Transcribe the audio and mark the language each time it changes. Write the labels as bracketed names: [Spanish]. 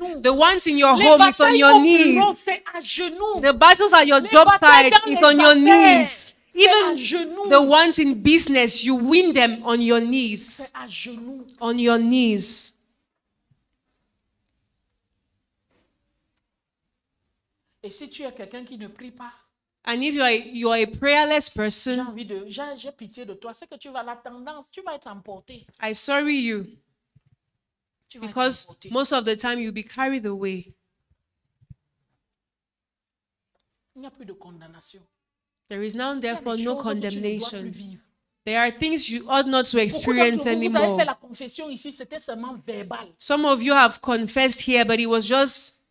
[English] The ones in your home is on your knees. The battles at your job site is on your knees. Even the ones in business, you win them on your knees. On your knees. [French] Et si tu es quelqu'un qui ne prie pas, [English] and if you are a prayerless person, [French] j'ai envie de, j'ai pitié de toi. C'est que tu vas la tendance, tu vas être emporté. [English] I sorry you. Because most of the time you'll be carried away. [French] Il n'y a plus de condamnation. [English] There is now therefore no condemnation. There are things you ought not to experience anymore. [French] Vous avez fait la confession ici, c'était seulement verbal. [English] Some of you have confessed here, but it was just